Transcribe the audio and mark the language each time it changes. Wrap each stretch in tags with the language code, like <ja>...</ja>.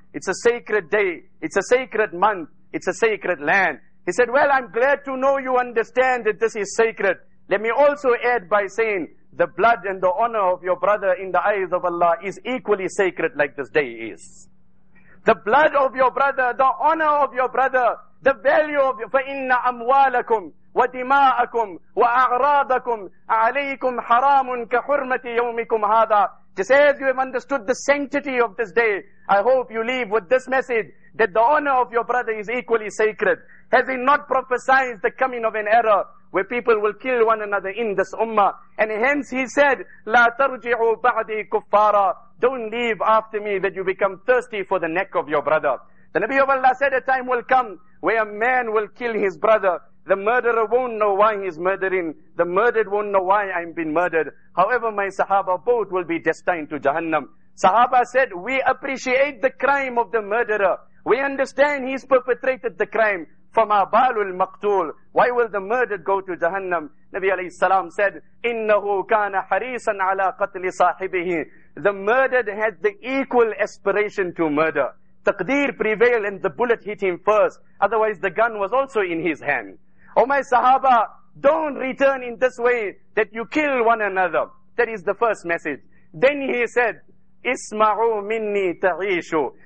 <en>It's a sacred day. It's a sacred month. It's a sacred land. He said, well, I'm glad to know you understand that this is sacred. Let me also add by saying, the blood and the honor of your brother in the eyes of Allah is equally sacred like this day is. The blood of your brother, the honor of your brother, the value of</en> <ar>فَإِنَّ أَمْوَالَكُمْ وَدِمَاءَكُمْ وَأَعْرَاضَكُمْ عَلَيْكُمْ حَرَامٌ كَحُرْمَةِ يَوْمِكُمْ هَذَا.</ar> <en>To say as you have understood the sanctity of this day, I hope you leave with this message that the honor of your brother is equally sacred. Has he not prophesied the coming of an era where people will kill one another in this ummah? And hence he said,</en> <ar>لَا تَرْجِعُوا بَعْدِي كُفَّارًا.</ar> <en>Don't leave after me that you become thirsty for the neck of your brother. The Nabi of Allah said a time will come where a man will kill his brother. The murderer won't know why he's murdering. The murdered won't know why I'm being murdered. However, my Sahaba, both will be destined to Jahannam. Sahaba said, we appreciate the crime of the murderer. We understand he's perpetrated the crime.</en> <ar>فَمَا بَالُ الْمَقْتُولِ.</ar> <en>Why will the murdered go to Jahannam? Nabi alayhi salam said,</en> <ar>إِنَّهُ كَانَ حَرِيصًا عَلَىٰ قَتْلِ صَاحِبِهِ.</ar> <en>The murdered had the equal aspiration to murder. Taqdeer prevailed and the bullet hit him first. Otherwise the gun was also in his hand. Oh my Sahaba, don't return in this way that you kill one another. That is the first message. Then he said,</en> <ar>إِسْمَعُوا مِنِّي تَعِيشُ.</ar>